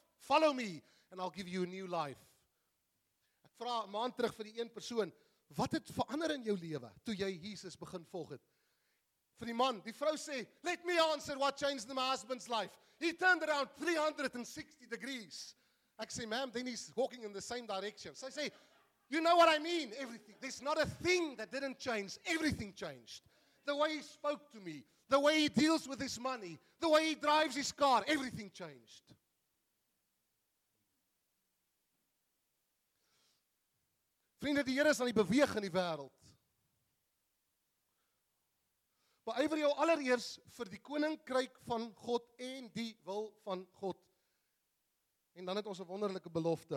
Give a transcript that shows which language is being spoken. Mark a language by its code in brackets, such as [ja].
[en] Follow me and I'll give you a new life. [af] Ek vra 'n maand terug vir die een persoon, wat het verander in jou lewe toe jy Jesus begin volg het? Vir die man, die vrou sê, [en] let me answer what changed my husband's life. He turned around 360 degrees. [af] Ek sê, [en] ma'am, then he's walking in the same direction. So I say, you know what I mean? Everything. There's not a thing that didn't change. Everything changed. The way he spoke to me, the way he deals with his money, the way he drives his car, everything changed. [af] Vriende, die Here is aan die beweeg in die wêreld. Beywer jou allereers vir die koninkryk van God en die wil van God. En dan het ons 'n wonderlike belofte.